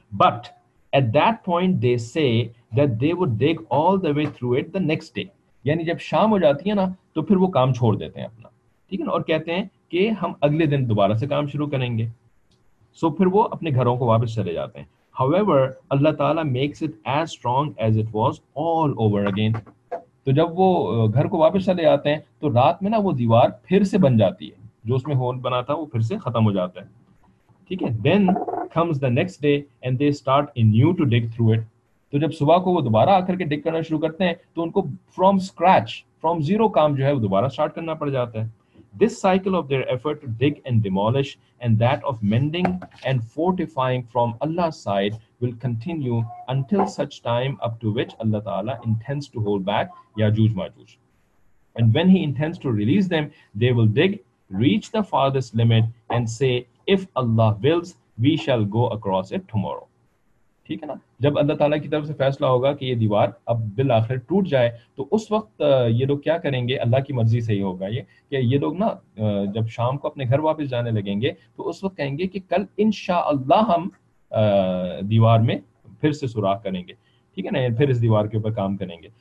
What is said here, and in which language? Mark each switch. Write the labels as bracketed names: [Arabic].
[English] but at that point they say that they would dig all the way through it the next day, [Urdu] یعنی جب شام ہو جاتی ہے نا تو پھر وہ کام چھوڑ دیتے ہیں اپنا, ٹھیک ہے نا, اور کہتے ہیں کہ ہم اگلے دن دوبارہ سے کام شروع کریں گے. سو پھر وہ اپنے گھروں کو واپس چلے جاتے ہیں. [English] However, Allah تعالیٰ makes it as strong as it was all over again. [Urdu] تو جب وہ گھر کو واپس چلے جاتے ہیں تو رات میں نا وہ دیوار پھر سے بن جاتی ہے, جو اس میں ہول بنا تھا وہ پھر سے ختم ہو جاتا ہے, ٹھیک ہے. [English] Then comes the next day and they start anew to dig through it. [Urdu] تو جب صبح کو وہ دوبارہ آ کر کے ڈگ کرنا شروع کرتے ہیں تو ان کو from scratch from zero comma جو ہے وہ دوبارہ اسٹارٹ کرنا پڑ جاتا ہے. [English] This cycle of their effort to dig and demolish and that of mending and fortifying from Allah's side will continue until such time up to which Allah Ta'ala intends to hold back Yajuj Majuj. And when He intends to release them, they will dig, reach the farthest limit and say, if Allah wills, we shall go across it tomorrow. [Urdu] ٹھیک ہے نا, جب اللہ تعالیٰ کی طرف سے فیصلہ ہوگا کہ یہ دیوار اب بالآخر ٹوٹ جائے تو اس وقت یہ لوگ کیا کریں گے, اللہ کی مرضی سے ہی ہوگا یہ کہ یہ لوگ نا جب شام کو اپنے گھر واپس جانے لگیں گے تو اس وقت کہیں گے کہ کل انشاءاللہ ہم دیوار میں پھر سے سوراخ کریں گے, ٹھیک ہے نا, پھر اس دیوار کے اوپر کام کریں گے.